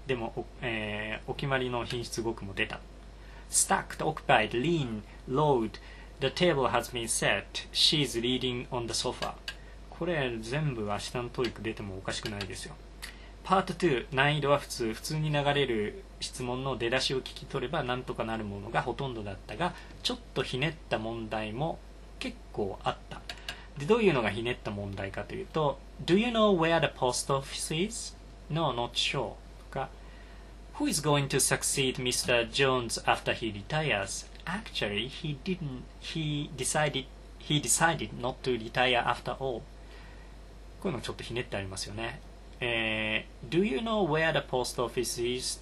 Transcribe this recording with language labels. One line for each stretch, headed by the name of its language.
Japanese: でも、お決まりの品質語句も出た。
English: Stacked, occupied, lean, load, the table has been set, she's reading on the sofa.
Japanese: これ全部明日のTOEIC出てもおかしくないですよ。パート2、難易度は普通、普通に流れる質問の出だしを聞き取ればなんとかなるものがほとんどだったが、ちょっとひねった問題も結構あった。で、どういうのがひねった問題かというと、 Do you know where the post office is? No, not sure.
English: とか、Who is going to succeed Mr. Jones after he retires? Actually, he decided not to retire after all.
Japanese: こういうのちょっとひねってありますよね。
English: Do you know where the post office is?